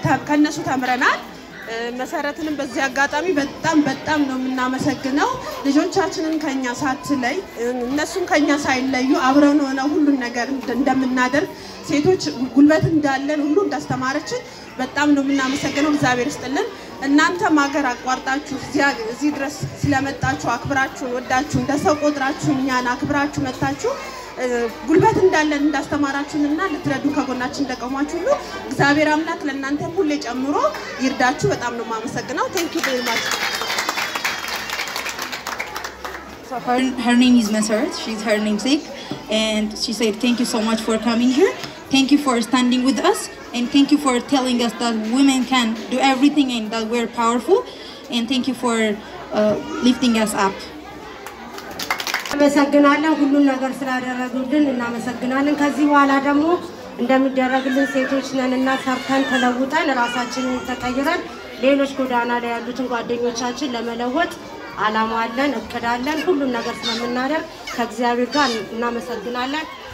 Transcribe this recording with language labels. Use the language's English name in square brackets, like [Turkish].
[Amharic] ከነሱ ተምረናል መሰረትንም በዚህ አጋጣሚ በጣም በጣም ነው እናመሰግነው ልጆቻችንን ከኛ ሳትለይ እነሱን ከኛ ሳይለዩ አብረን ሆነው ሁሉ ነገር እንደምናደርግ ሴቶች ጉልበት እንዳለን ሁሉ እንዳስተማረችን በጣም ነው እናመሰግነው እግዚአብሔር ይስጥልን እናንተ ማገር አቋርጣችሁ እዚህ ድረስ ስለመጣችሁ አክብራችሁን ወዳችሁ እንደሰው ቆጥራችሁኛን አክብራችሁ መጣችሁ ጉልበት እንዳለን እንዳስተማራችሁና ልትረዱ ከጎናችን ደቀማችሁ ሁሉ እግዚአብሔር አምላክ ለእናንተ ሁሉ ይጨምሮ ይርዳችሁ በጣም ነው ማመሰግነው [English] ቴንክ ዩ ቬሪ ማች So her name is Meseret she's her namesake and she said thank you so much for coming here thank you for standing with us and thank you for telling us that women can do everything and that we're powerful and thank you for lifting us up [Amharic] አመሰግናለሁ ሁሉን ነገር ስላደረጉልን እናመሰግናለን ከዚህ በኋላ ደግሞ እንደምደረግልን ሴቶች ነንና ሰርተን ተለውጠን ራሳችንን ተቀይረን ሌሎች ጎዳና ላይ ያሉትን ጓደኞቻችን ለመለወጥ አላማ አለን እቅዳለን ሁሉን ነገር ስለምናደርግ ከእግዚአብሔር ጋር እናመሰግናለን